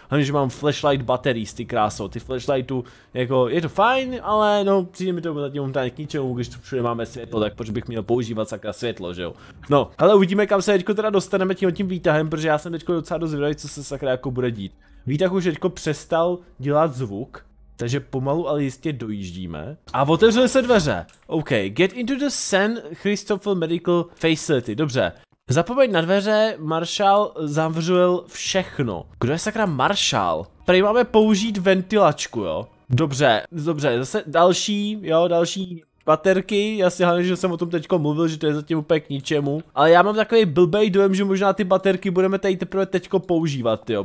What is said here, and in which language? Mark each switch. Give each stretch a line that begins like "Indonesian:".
Czech: Hlavně, že mám flashlight batteries, ty kráso, ty flashlightu, jako je to fajn, ale no, přijde mi to zatím k ničemu, když tu všude máme světlo, tak proč bych měl používat sakra světlo, že jo. No, ale uvidíme, kam se teďko teda dostaneme tím výtahem, protože já jsem teďko docela dost zvědavý, co se sakra jako bude dít. Výtah už teďko přestal dělat zvuk. Takže pomalu, ale jistě dojíždíme. A otevřely se dveře.
English: OK, get into the San Christopher Medical Facility.
Czech: Dobře. Zapomeň na dveře, Marshall zavřel všechno. Kdo je sakra Marshall? Prej máme použít ventilačku, jo? Dobře, dobře, zase další, jo, další baterky. Já si hlavně, že jsem o tom teďko mluvil, že to je zatím úplně k ničemu. Ale já mám takový blbej dojem, že možná ty baterky budeme tady teprve teďko používat, jo.